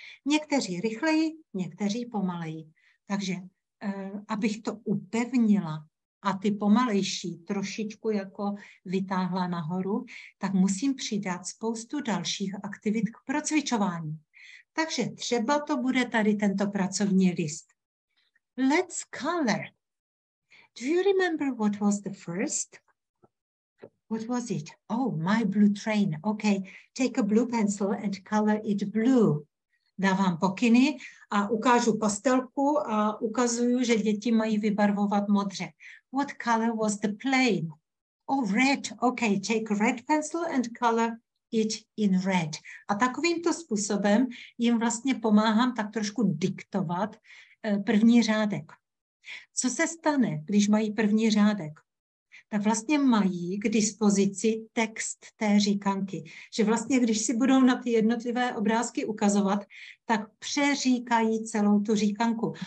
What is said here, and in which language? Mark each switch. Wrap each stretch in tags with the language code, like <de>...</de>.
<cs>Někteří rychleji, někteří pomaleji. Takže, abych to upevnila a ty pomalejší trošičku jako vytáhla nahoru, tak musím přidat spoustu dalších aktivit k procvičování. Takže třeba to bude tady tento pracovní list.</cs> <en>Let's color. Do you remember what was the first? What was it? Oh, my blue train. Okay, take a blue pencil and color it blue.</en> <cs>Dávám pokyny a ukážu pastelku a ukazuju, že děti mají vybarvovat modře.</cs> <en>What color was the plane? Oh, red. OK, take a red pencil and color it in red.</en> <cs>A takovýmto způsobem jim vlastně pomáhám tak trošku diktovat první řádek. Co se stane, když mají první řádek? Tak vlastně mají k dispozici text té říkanky. Že vlastně, když si budou na ty jednotlivé obrázky ukazovat, tak přeříkají celou tu říkanku.</cs>